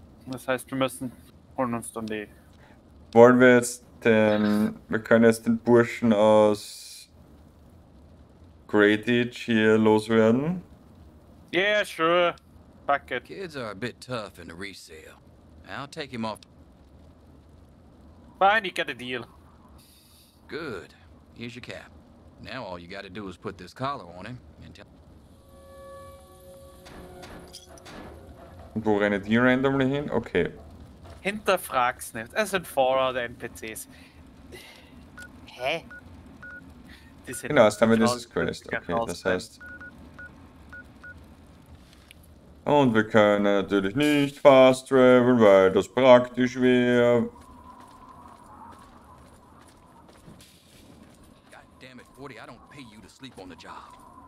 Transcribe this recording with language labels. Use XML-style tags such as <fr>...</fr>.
<de>Das heißt, wir müssen holen uns dann die. Wollen wir jetzt den. Wir können jetzt den Burschen aus Greatage hier loswerden.</de> <en>Yeah, sure. Fuck it. Kids are a bit tough in the resale. I'll take him off. Fine, you got a deal. Good. Here's your cap. Now all you gotta do is put this collar on him and tell.</en> <de>Und wo rennt die randomly hin? Okay. Hinterfrag's nicht. Es sind Fallout-NPCs. Hä? Die sind genau, damit ist es Quest. Okay, das heißt. Und wir können natürlich nicht fast travel, weil das praktisch wäre.</de> <en>God damn it, 40, I don't pay you to sleep on the job.</en>